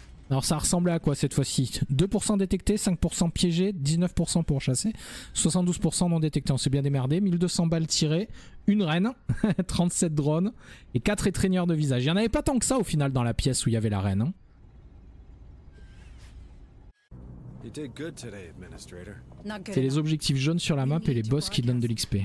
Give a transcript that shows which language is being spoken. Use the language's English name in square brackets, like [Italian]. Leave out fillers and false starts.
[French] Alors ça ressemblait à quoi cette fois-ci? 2% détecté, 5% piégé, 19% pour chasser, 72% non détecté. On s'est bien démerdé. 1200 balles tirées, une reine, 37 drones et 4 étreigneurs de visage. Il n'y en avait pas tant que ça au final dans la pièce où il y avait la reine. Hein. [English] You did good today, administrator. [French] C'est les objectifs jaunes sur la map et les boss qui donnent de l'XP.